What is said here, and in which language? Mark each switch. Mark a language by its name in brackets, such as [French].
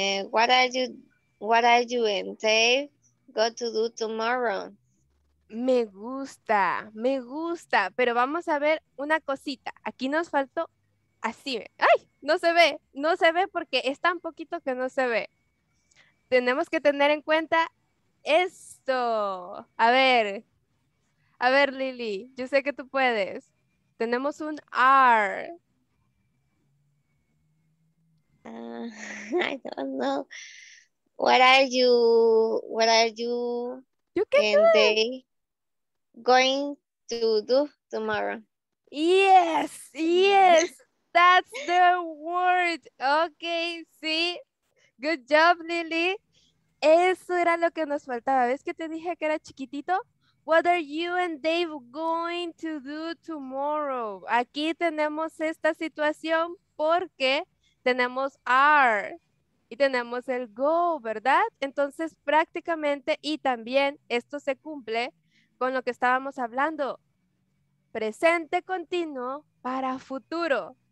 [English] What are you and Dave go to do tomorrow? [Spanish] Me gusta, pero vamos a ver una cosita. Aquí nos faltó así. ¡Ay! No se ve, no se ve porque es tan poquito que no se ve. Tenemos que tener en cuenta esto. A ver, Lily, yo sé que tú puedes. Tenemos un R. [English] I don't know. What are you? You can do it. Going to do tomorrow. Yes, yes, that's the word. Okay, sí. Good job, Lily. [Spanish] Eso era lo que nos faltaba. ¿Ves que te dije que era chiquitito? [English] What are you and Dave going to do tomorrow? [Spanish] Aquí tenemos esta situación porque tenemos are y tenemos el go, ¿verdad? Entonces, prácticamente, y también esto se cumple con lo que estábamos hablando, presente continuo para futuro.